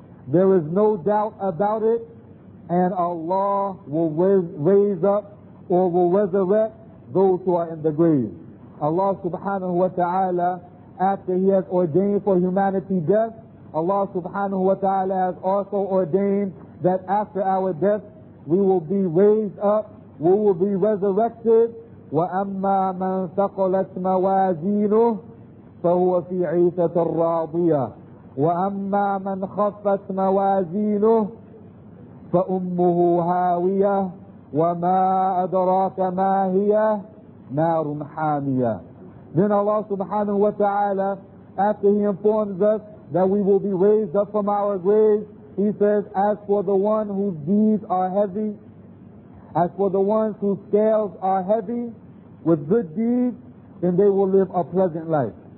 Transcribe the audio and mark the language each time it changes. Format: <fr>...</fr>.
<en>There is no doubt about it. And Allah will raise up or will resurrect those who are in the grave. Allah subhanahu wa ta'ala, after He has ordained for humanity death, Allah subhanahu wa ta'ala has also ordained that after our death, we will be raised up, we will be resurrected.</en> <ar>وَأَمَّا مَنْ ثَقُلَتْ مَوَازِينُهُ فهو في عيسة الراضية وأما من خفت موازينه فأمه هاوية وما أدراك ما هي نار حامية.</ar> <en>Then Allah subhanahu wa ta'ala, after He informs us that we will be raised up from our graves, He says, as for the one whose deeds are heavy, as for the ones whose scales are heavy with good deeds, then they will live a pleasant life.</en>